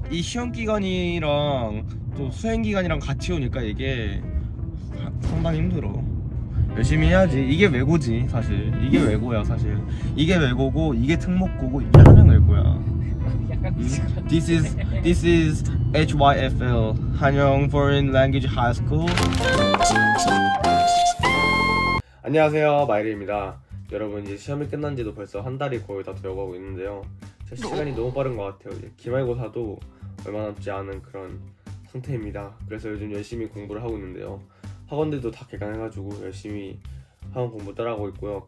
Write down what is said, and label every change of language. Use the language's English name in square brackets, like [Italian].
[Korean] 이 시험 기간이랑 또 수행 기간이랑 같이 오니까 이게 상당히 힘들어. 열심히 해야지. 이게 외고지 사실. 이게 외고야 사실. 이게 외고고 이게 특목고고 이게 하는 외고야. [English] This is HYFL 한영 Foreign Language High School. [Korean] 안녕하세요, 마이리입니다. 여러분 이제 시험이 끝난 지도 벌써 한 달이 거의 다 되어가고 있는데요. 시간이 너무 빠른 것 같아요. 이제 기말고사도 얼마 남지 않은 그런 상태입니다. 그래서 요즘 열심히 공부를 하고 있는데요. 학원들도 다 개강해가지고 열심히 학원 공부 따라하고 있고요.